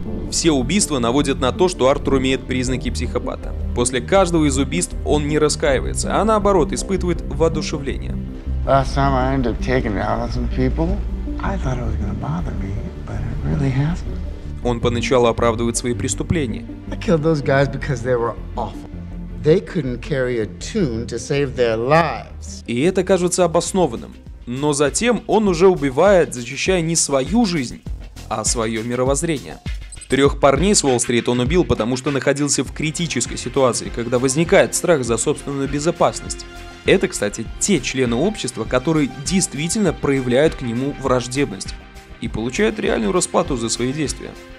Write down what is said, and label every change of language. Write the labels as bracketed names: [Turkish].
[Russian] Все убийства наводят на то, что Артур имеет признаки психопата. После каждого из убийств он не раскаивается, а наоборот испытывает воодушевление. [English] Last time I ended up taking out some people, I thought it was gonna bother me, but it really hasn't. [Russian] Он поначалу оправдывает свои преступления. [English] I killed those guys because they were awful. They couldn't carry a tune to save their lives. [Russian] И это кажется обоснованным. Но затем он уже убивает, защищая не свою жизнь, а свое мировоззрение. Трех парней с Уолл-стрит он убил, потому что находился в критической ситуации, когда возникает страх за собственную безопасность. Это, кстати, те члены общества, которые действительно проявляют к нему враждебность и получают реальную расплату за свои действия.